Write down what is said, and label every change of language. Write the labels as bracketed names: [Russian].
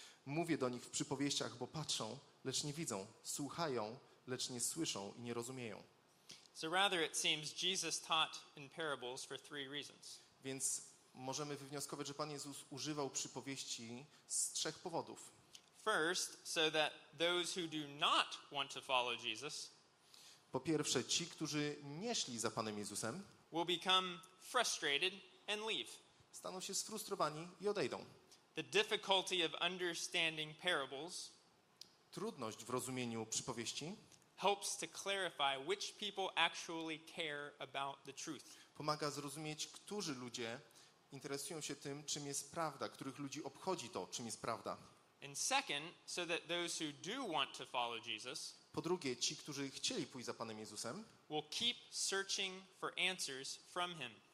[Polish] Mówię do nich w przypowieściach, bo patrzą, lecz nie widzą, słuchają, lecz nie słyszą i nie rozumieją. [English] So rather it seems Jesus taught in parables for three reasons. [Polish] Więc możemy wywnioskować, że Pan Jezus używał przypowieści z trzech powodów. [English] First, so that those who do not want to follow Jesus, [Polish] po pierwsze, ci, którzy nie szli za Panem Jezusem, [English] will become frustrated and leave. [Polish] Staną się sfrustrowani i odejdą. [English] The difficulty of understanding parables, [Polish] trudność w rozumieniu przypowieści, [English] helps to clarify which people actually care about the truth. [Polish] Pomaga zrozumieć, którzy ludzie interesują się tym, czym jest prawda, których ludzi obchodzi to, czym jest prawda. [English] And second, so that those who do want to follow Jesus, [Polish] po drugie, ci, którzy chcieli pójść za Panem Jezusem, [English] will keep searching for answers from him.